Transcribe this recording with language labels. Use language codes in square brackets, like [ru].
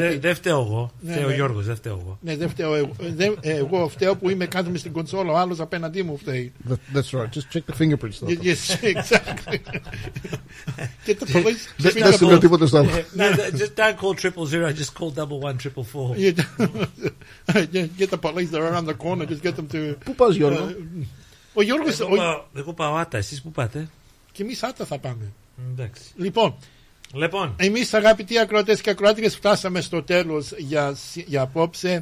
[el] Δεν φταίω εγώ. Φταίω ο Γιώργος, δεν φταίω εγώ. Ναι, δεν φταίω εγώ. Εγώ φταίω που είμαι κάτω στην κονσόλα, ο άλλος απέναντί μου φταίει. [en] That's right. Just check the fingerprints. Yes, exactly. [el] Δεν σημαίνει τίποτα στο άλλο. [en] Just don't call 000, just call 11444. Get the police, they're around the corner, just get them to... [el] Πού πας, Γιώργο? Ο Γιώργος... Εγώ πάω άτα, εσείς πού πάτε? Και εμείς άτα θα πάμε. Εντάξει. Λοιπόν... Λοιπόν, εμείς αγαπητοί ακροατές και ακροάτριες φτάσαμε στο τέλος για απόψε.